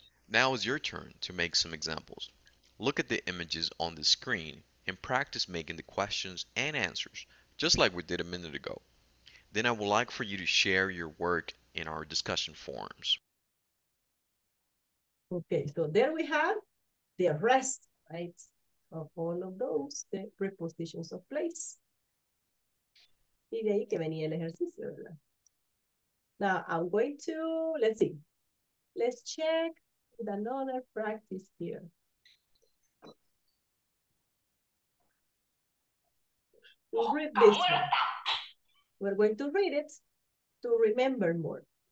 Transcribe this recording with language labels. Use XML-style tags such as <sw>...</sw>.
<en>Now is your turn to make some examples. Look at the images on the screen and practice making the questions and answers, just like we did a minute ago. Then I would like for you to share your work in our discussion forums. Okay, so there we have the rest, right, of all of those, the prepositions of place.</en> <es>Y de ahí que venía el ejercicio, ¿verdad?</es> <en>Now I'm going to, let's see, let's check with another practice here. We'll read this one. We're going to read it to remember more.</en>